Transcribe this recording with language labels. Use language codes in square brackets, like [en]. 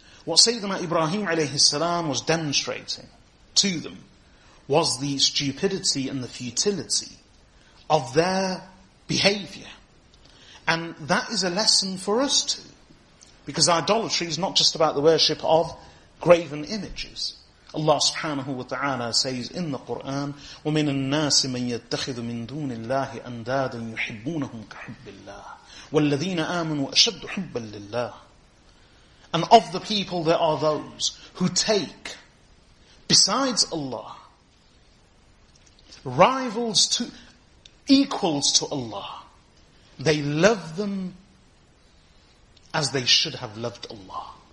[en] What Sayyidina Ibrahim alayhi salam was demonstrating to them was the stupidity and the futility of their behavior. And that is a lesson for us too. Because idolatry is not just about the worship of graven images. Allah subhanahu wa ta'ala says in the Quran, [ar] وَمِنَ النَّاسِ مَنْ يَتَّخِذُ مِنْ دُونِ اللَّهِ أَنْدَادًا يُحِبُّونَهُمْ كَحُبِّ اللَّهِ وَالَّذِينَ آمَنُوا أَشَدُّ حُبًّا لِلَّهِ. [en] And of the people there are those who take, besides Allah, rivals to, equals to Allah, they love them as they should have loved Allah.